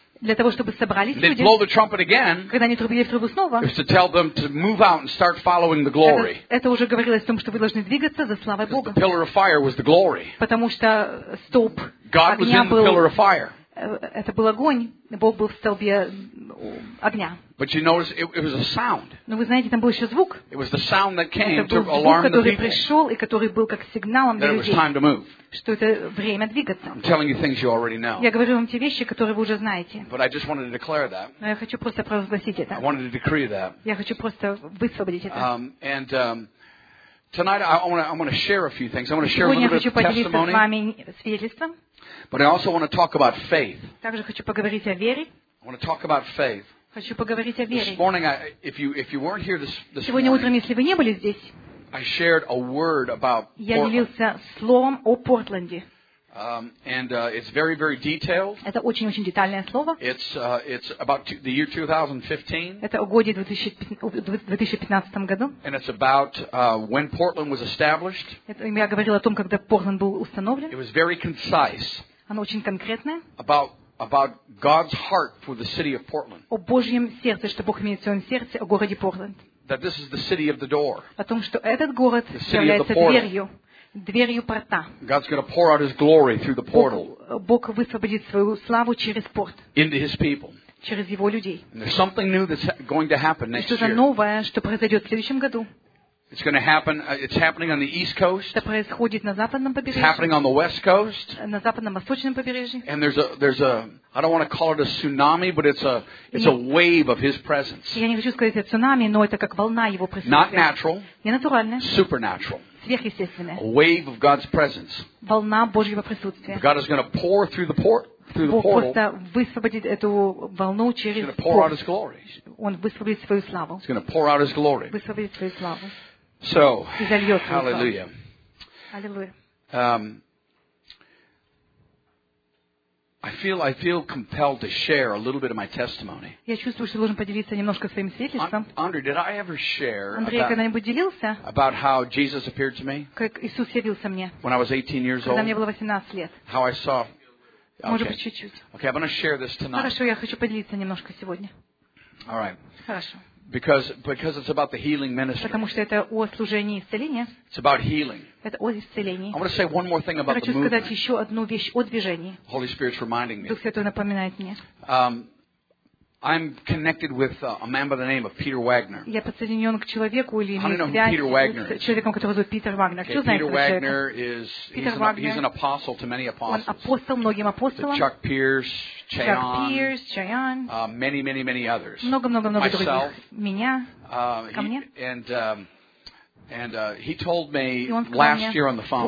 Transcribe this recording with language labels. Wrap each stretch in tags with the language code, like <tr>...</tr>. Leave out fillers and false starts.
<ru>Для того, чтобы собрались</ru> <en>They'd</en> <ru>люди.</ru> <en>Blow the trumpet again,</en> <ru>когда они трубили в трубу снова,</ru> <en>it was to tell them to move out and start following the glory.</en> <ru>Это уже говорилось о том, что вы должны двигаться за славой Бога.</ru> <en>The pillar of fire was the glory.</en> <ru>Потому что столб</ru> <en>God</en> <ru>огня</ru> <en>was in the pillar of fire.</en> <ru>Это был огонь. Бог был в столбе огня.</ru> <en>But you notice it was a sound.</en> <ru>Но вы знаете, там был еще звук.</ru> <en>It was the sound that came to alarm the people.</en> <ru>Это был звук, который пришел и который был как сигналом для людей.</ru> <en>It was time to move.</en> <ru>Что это время двигаться.</ru> <en>I'm telling you things you already know.</en> <ru>Я говорю вам те вещи, которые вы уже знаете.</ru> <en>But I just wanted to declare that.</en> <ru>Но я хочу просто провозгласить это.</ru> <en>I wanted to decree that.</en> <ru>Я хочу просто высвободить это.</ru> <en>Tonight I want to share a few things. I want to share a little bit of testimony.</en> <ru>С вами свидетельством.</ru> <en>But I also want to talk about faith.</en> <ru>Также хочу поговорить о вере.</ru> <en>I want to talk about faith.</en> <ru>Хочу поговорить о вере.</ru> <en>This morning, if you weren't here this</en> <ru>сегодня</ru> <en>morning,</en> <ru>утром, если вы не были здесь,</ru> <en>I shared a word about Portland.</en> <ru>Я делился словом о Портленде.</ru> <en>It's very very detailed.</en> <ru>Это очень-очень детальное слово.</ru> <en>It's about the year 2015.</en> <ru>Это о годе 2015 году.</ru> <en>And it's about when Portland was established.</en> <ru>Это я говорил о том, когда Портленд был установлен.</ru> <en>It was very concise.</en> <ru>Оно очень конкретное.</ru> <en>About God's heart for the city of Portland.</en> <ru>О Божьем сердце, что Бог имеет в своем сердце о городе Портленд.</ru> <en>That this is the city of the door. О том, что этот город является дверью.</en> <ru>Дверью порта.</ru> <en>God's going to pour out His glory through the portal.</en> <ru>Бог высвободит свою славу через порт.</ru> <en>Into His people.</en> <ru>Через Его людей.</ru> <en>And there's something new that's going to happen next year.</en> <ru>Что-то новое, что произойдет в следующем году.</ru> <en>It's going to happen. It's happening on the east coast.</en> <ru>Это происходит на западном побережье.</ru> <en>It's happening on the west coast.</en> <ru>На западном восточном побережье.</ru> <en>And there's a I don't want to call it a tsunami, but it's a wave of His presence.</en> <ru>Я не хочу сказать это цунами, но это как волна Его присутствия.</ru> <en>Not natural.</en> <ru>Не натуральное.</ru> <en>Supernatural.</en> <ru>Сверхъестественное.</ru> <en>A wave of God's presence.</en> <ru>Волна Божьего присутствия.</ru> <en>God is going to pour through the port.</en> <ru>Бог просто высвободит эту волну через порт. Он высвободит свою славу.</ru> <en>He's going to pour out His glory.</en> <ru>Высвободит свою славу.</ru> <en>So,</en> <ru>и зальет свою славу. Hallelujah.</ru> <en>I feel compelled to share a little bit of my testimony.</en> <ru>Я чувствую, что должен поделиться немножко своим свидетельством.</ru> <en>Андрей, did I ever share about how Jesus appeared to me?</en> <ru>Как Иисус явился мне?</ru> <en>When I was 18 years old.</en> <ru>Когда мне было 18 лет.</ru> <en>How I saw.</en> <ru>Может быть, чуть-чуть.</ru> <en>Okay, I'm going to share this tonight.</en> <ru>Хорошо, я хочу поделиться немножко сегодня.</ru> <en>All right.</en> <ru>Хорошо.</ru> <en>Because it's about the healing ministry.</en> <ru>Потому что это о служении исцеления.</ru> <en>It's about healing.</en> <ru>Это о исцелении.</ru> <en>I want to say one more thing about the movement.</en> <ru>Хочу сказать еще одну вещь о движении.</ru> <en>Holy Spirit's reminding me.</en> <ru>Дух Святой напоминает мне.</ru> <en>I'm connected with a man by the name of Peter Wagner.</en> <ru>Я подсоединен к человеку или связь с человеком, которого зовут Питер Вагнер. Кто знает этого человека?</ru> <en>He's an apostle to many apostles.</en> <ru>Он апостол многим апостолам.</ru> <en>Chuck Pierce, Chayon. Chuck Pierce, Chayon. Many, many, many others.</en> <ru>Много, много, много других. Myself. Меня. Ко мне.</ru> <en>And And he told me last year on the phone.</en>